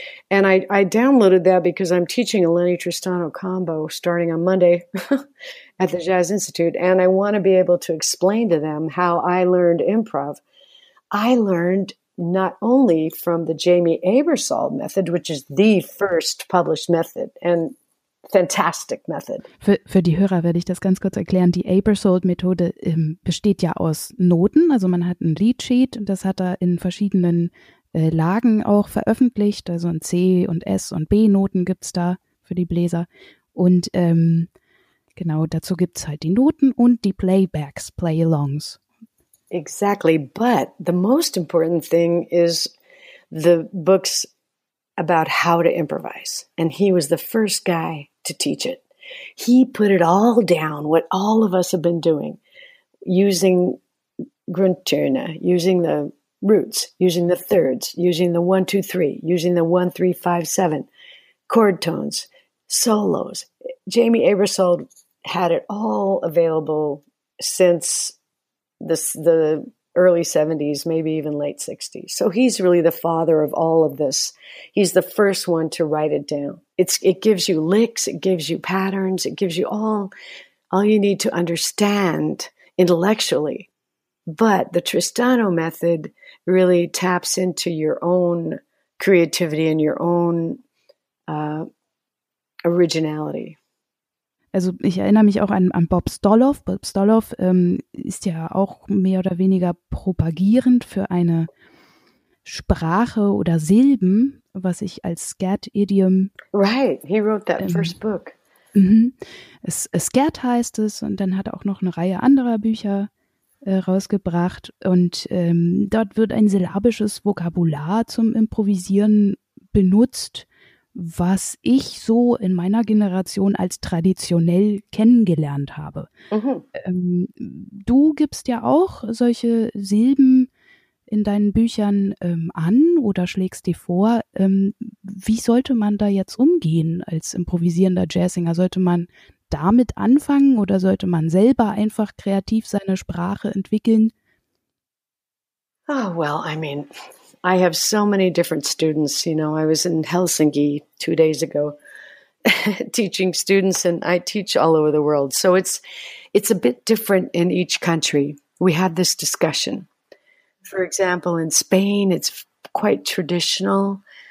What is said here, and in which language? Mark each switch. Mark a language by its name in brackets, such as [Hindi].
[English] And I downloaded that because I'm teaching a Lenny Tristano combo starting on Monday. at the Jazz Institute, and I want to be able to explain to them how I learned improv. I learned not only from the Jamie Ebersole method, which is the first published method and fantastic method. [German] Für die Hörer werde ich das ganz kurz erklären. Die Ebersole-Methode besteht ja aus Noten. Also man hat ein Liedsheet und das hat er in verschiedenen Lagen auch veröffentlicht. Also ein C und S und B-Noten gibt es da für die Bläser. Und genau, dazu gibt es halt die Noten und die Playbacks, Play-Alongs. [English] Exactly. But the most important thing is the books about how to improvise. And he was the first guy to teach it. He put it all down, what all of us have been doing, using Grundtöne, using the roots, using the thirds, using the 1-2-3, using the 1-3-5-7, chord tones, solos. Jamie Ebersole had it all available since the early 70s, maybe even late 60s. So he's really the father of all of this. He's the first one to write it down. It gives you licks, it gives you patterns, it gives you all you need to understand intellectually. But the Tristano method really taps into your own creativity and your own originality. [German] Also ich erinnere mich auch an Bob Stoloff. Bob Stoloff ist ja auch mehr oder weniger propagierend für eine Sprache oder Silben, was ich als Scat-Idiom. [English] Right, he wrote that first book. Mm-hmm. [German] Scat heißt es, und dann hat er auch noch eine Reihe anderer Bücher rausgebracht. Und dort wird ein syllabisches Vokabular zum Improvisieren benutzt, was ich so in meiner Generation als traditionell kennengelernt habe. Mhm. Du gibst ja auch solche Silben in deinen Büchern an oder schlägst die vor. Wie sollte man da jetzt umgehen als improvisierender Jazzsänger? Sollte man damit anfangen oder sollte man selber einfach kreativ seine Sprache entwickeln? [English] Oh, well, I mean, I have so many different students, you know. I was in Helsinki 2 days ago teaching students, and I teach all over the world. So it's a bit different in each country. We had this discussion. For example, in Spain, it's quite traditional.